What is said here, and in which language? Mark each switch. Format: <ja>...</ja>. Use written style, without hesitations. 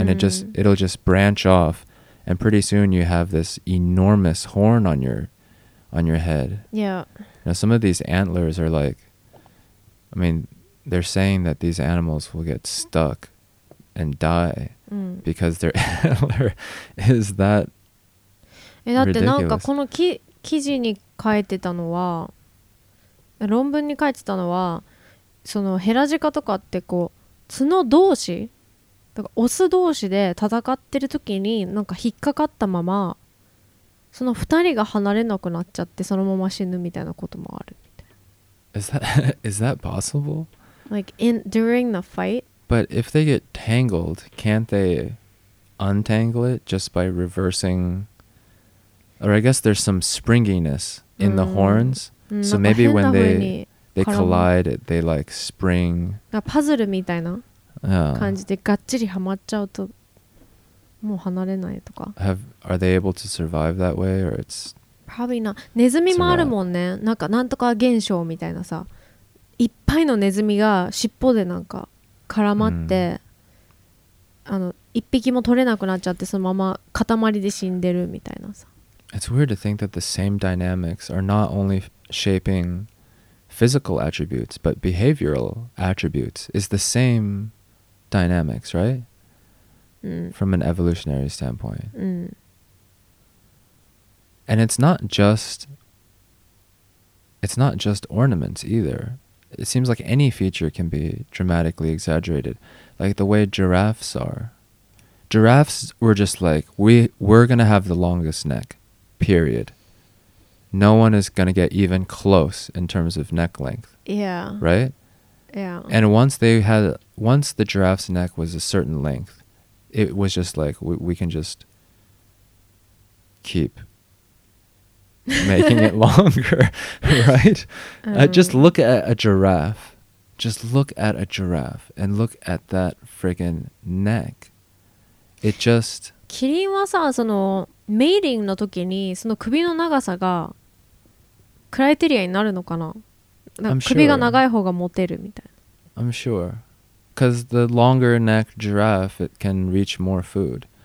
<en>And it'll just branch off. And pretty soon you have this enormous horn on your head. Yeah. Now some of these antlers are like, I mean... They're saying that these animals will get stuck and die、うん、 because their antler is that ridiculous.</en> <ja>だってなんかこの記事に書いてたのは論文に書いてたのはそのヘラジカとかってこう角同士だからオス同士で戦ってる時になんか引っかかったままその二人が離れなくなっちゃってそのまま死ぬみたいなこともあるみたいな</ja> <en>is that possible? Like in during the fight, but if they get tangled, can't they untangle it just by reversing? Or I guess there's some springiness in the horns, so maybe when they collide, they like spring. A puzzle</en> <ja>みたいな感じでガッチリハマっちゃうともう離れないとか。</ja> <en>Are they able to survive that way, or it's probably not?</en> <ja>ネズミもあるもんね。なんかなんとか現象みたいなさ。いっぱいのネズミが尻尾でなんか絡まって、mm. あの一匹も取れなくなっちゃってそのまま塊で死んでるみたいなさ。</ja> <en>It's weird to think that the same dynamics are not only shaping physical attributes but behavioral attributes is the same dynamics, right? From an evolutionary standpoint. And it's not just ornaments either. It seems like any feature can be dramatically exaggerated. Like the way giraffes are. Giraffes were just like, we're going to have the longest neck, period. No one is going to get even close in terms of neck length. Yeah. Right? Yeah. And once the giraffe's neck was a certain length, it was just like, we can just keep... making it longer, right? Just look at a giraffe. Just look at a giraffe and look at that friggin' neck. It just...</en> <ja>キリンはさ、そのメイリングの時にその首の長さがクライテリアになるのかな？なんか首が長い方がモテるみたいな。</ja> <en>I'm sure. Because the longer neck giraffe, it can reach more food.</en>